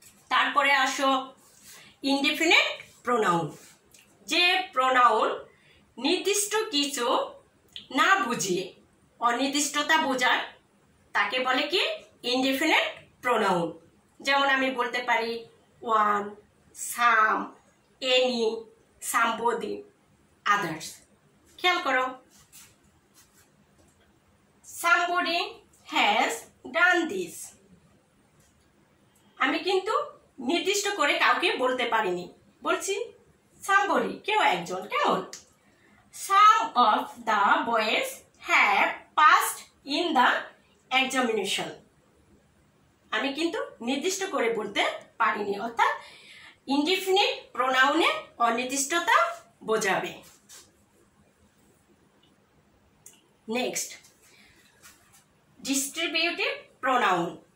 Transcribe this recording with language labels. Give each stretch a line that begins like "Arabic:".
Bangla: তারপরে আসো indefinite pronoun যে প্রোনাউন নির্দিষ্ট কিছু না বুঝিয়ে অনির্দিষ্টতা বোঝায় তাকে বলে কি ইনডিফিনিট প্রোনাউন যেমন আমি বলতে পারি ওয়ান সাম এনি সাম্বোদি আদার্স খেয়াল করো সাম্বোডি
English: has done this.
Bangla: আমি কিন্তু নির্দিষ্ট করে কাউকে বলতে পারিনি, বলছি somebody, কেউ একজন, কেমন?
English: Some of the boys have passed in the examination.
Bangla: আমি কিন্তু নির্দিষ্ট করে বলতে পারিনি, অর্থাৎ ইনডিফিনিট প্রোনাউনে অনির্দিষ্টতা বোঝাবে।
English: Next, distributive pronoun.